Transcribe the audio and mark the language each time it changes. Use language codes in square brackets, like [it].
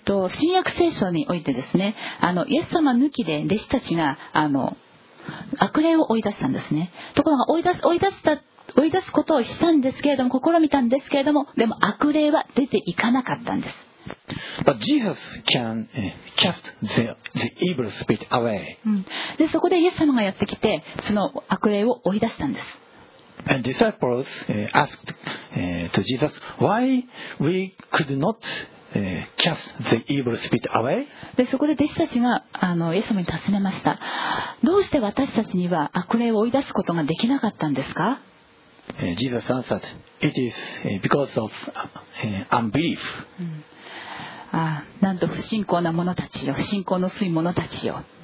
[ja] 新約聖書においてですね、イエス様抜きで弟子たちが悪霊を追い出したんですね。ところが追い出すことをしたんですけれども、試みたんですけれども、でも悪霊は出ていかなかったんです。 [en] But Jesus can cast the evil spirit away. [ja] でそこでイエス様がやってきて、その悪霊を追い出したんです。 [en] And disciples asked to Jesus why we could notcast the evil spirit away. [ja] でそこで弟子たちがイエス様に尋ねました。どうして私たちには悪霊を追い出すことができなかったんですか。 [en] Jesus answered, "It is because of unbelief." [ja] なんと不信仰な者たちよ、不信仰の薄い者たちよ。